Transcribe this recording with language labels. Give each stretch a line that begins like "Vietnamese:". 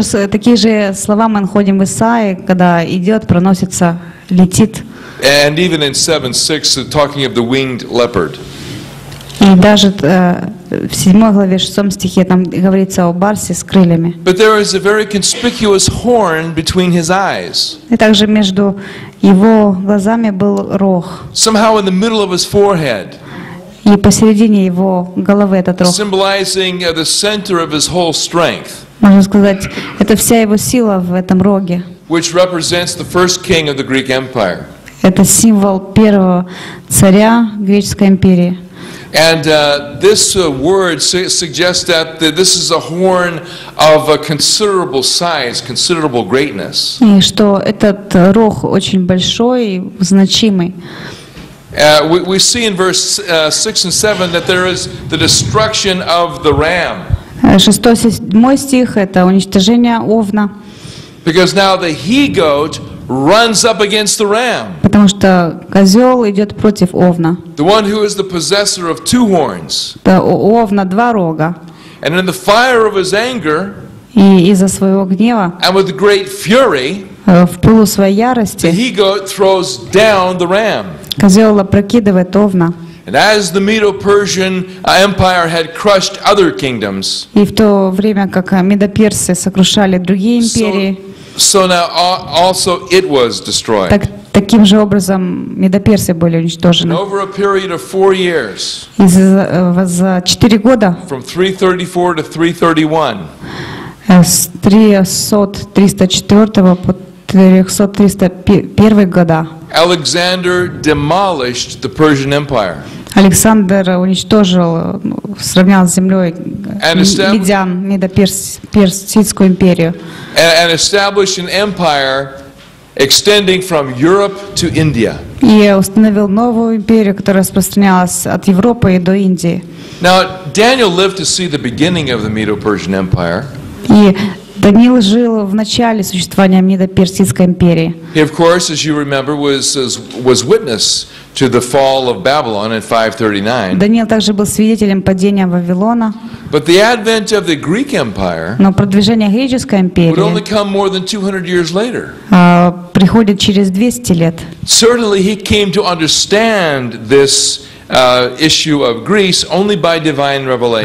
Russian: Такие же слова мы находим в Исаии, когда идет, проносится, летит.
English: And even in 7:6, talking of the winged leopard.
Russian: И даже в 7 главе 6 стихе там говорится о барсе с крыльями.
English: But there is a very conspicuous horn between his eyes.
Russian: И также между его глазами был рог.
English: Somehow in the middle of his forehead.
Russian: И посередине его головы этот рог.
English: Symbolizing the center of his whole strength.
Russian: Можно сказать, это вся его сила в этом роге.
English: Which represents the first king of the Greek Empire.
Russian: Это символ первого царя Греческой империи.
English: And this word suggests that this is a horn of a considerable size, considerable greatness.
Russian: И что этот рог очень большой и значимый.
English: We see in verse 6 and 7 that there is the destruction of the ram.
Russian: Шестой, седьмой стих — это уничтожение овна.
English: Because now the he-goat runs up against the ram.
Russian: Потому что козел идет против овна.
English: The one who is the possessor of two horns.
Russian: Да, у овна два рога.
English: And in the fire of his anger.
Russian: И из-за своего гнева.
English: And with great fury.
Russian: В пылу своей ярости.
English: The he-goat throws down the ram.
Russian: Козел опрокидывает овна.
English: And as the Medo-Persian Empire had crushed other kingdoms.
Russian: И в то время как Медоперсы сокрушали другие империи.
English: So now also it was destroyed.
Russian: Таким же образом Медоперсы были уничтожены.
English: And over a period of 4 years.
Russian: За 4 года.
English: From 334 to 331.
Russian: С 334 по 331 года.
English: Alexander demolished the Persian Empire.
Russian: Александр уничтожил, сравнял с землей Медян, Медоперсидскую империю.
English: And established an empire extending from Europe to India.
Russian: И установил новую империю, которая распространялась от Европы и до Индии.
English: Now Daniel lived to see the beginning of the Medo-Persian Empire.
Russian: И Даниил жил в начале существования Медоперсидской империи.
English: He, of course, as you remember, was witness to the fall of Babylon in 539.
Russian: Даниил также был свидетелем падения Вавилона.
English: But the advent of the Greek Empire.
Russian: Но продвижение Греческой империи.
English: Would only come more than 200 years later.
Russian: Приходит через 200 лет.
English: Certainly, he came to understand this issue of Greece only by divine revelation.